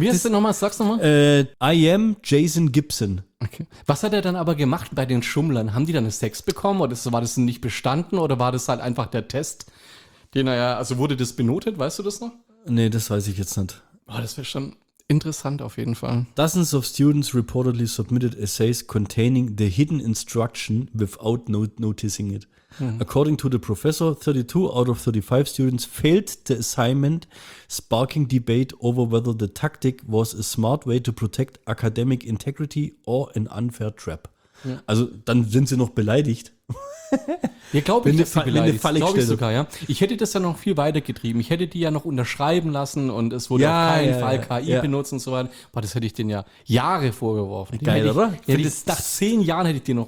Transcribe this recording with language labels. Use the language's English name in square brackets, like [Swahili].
[German] wie heißt der nochmal? Sag's nochmal. [English] I am Jason Gibson. Okay. [German] Was hat er dann aber gemacht bei den Schummlern? Haben die dann Sex bekommen oder war das nicht bestanden oder war das halt einfach der Test, den er ja, also wurde das benotet, weißt du das noch? Nee, das weiß ich jetzt nicht. Oh, das wäre schon interessant auf jeden Fall. [English] Dozens of students reportedly submitted essays containing the hidden instruction without noticing it. According to the professor, 32 out of 35 students failed the assignment, sparking debate over whether the tactic was a smart way to protect academic integrity or an unfair trap. [German] Ja. Also, dann sind sie noch beleidigt. Ja, glaube ich, dass sie beleidigt sind. Glaube ich sogar, ja. Ich hätte das ja noch viel weiter getrieben. Ich hätte die ja noch unterschreiben lassen und es wurde auf keinen Fall KI benutzt und so weiter. Boah, das hätte ich denen ja Jahre vorgeworfen. Die geil, oder? Nach 10 Jahren hätte ich dir noch